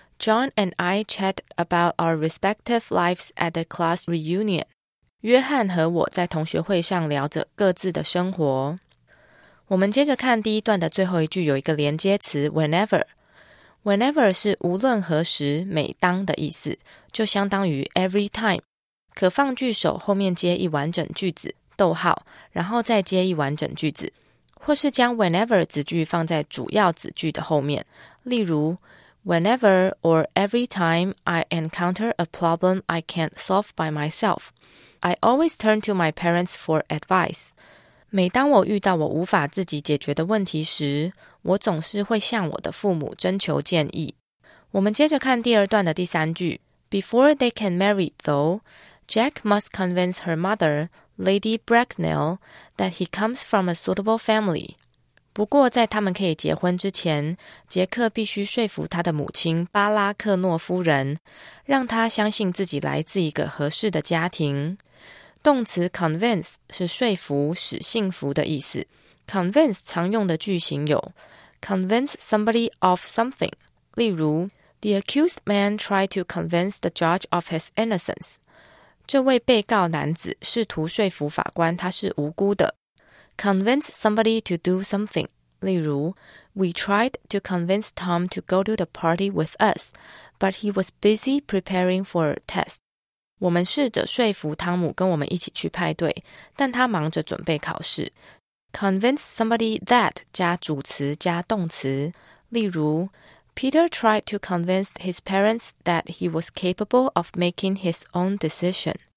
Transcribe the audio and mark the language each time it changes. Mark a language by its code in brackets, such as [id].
[en] John and I chat about our respective lives at the class reunion. [zh] 约翰和我在同学会上聊着各自的生活。我们接着看第一段的最后一句，有一个连接词 whenever。 Whenever 是无论何时、每当的意思，就相当于 every time。可放句首后面接一完整句子，逗号，然后再接一完整句子，或是将 whenever 子句放在主要子句的后面，例如。 [en] Whenever or every time I encounter a problem I can't solve by myself, I always turn to my parents for advice. [zh] 每当我遇到我无法自己解决的问题时，我总是会向我的父母征求建议。我们接着看第二段的第三句。 [en] Before they can marry, though, Jack must convince her mother, Lady Bracknell, that he comes from a suitable family. [zh] 不过在他们可以结婚之前，杰克必须说服他的母亲巴拉克诺夫人，让他相信自己来自一个合适的家庭。动词 convince 是说服、使信服的意思。 [en] convince 常用的句型有 convince somebody of something，例如 The accused man tried to convince the judge of his innocence。 [zh] 这位被告男子试图说服法官他是无辜的。 [en] Convince somebody to do something. 例如 We tried to convince Tom to go to the party with us, but he was busy preparing for a test. [zh] 我们试着说服汤姆跟我们一起去派对，但他忙着准备考试。 [en] Convince somebody that 加主词加动词。例如 Peter tried to convince his parents that he was capable of making his own decision.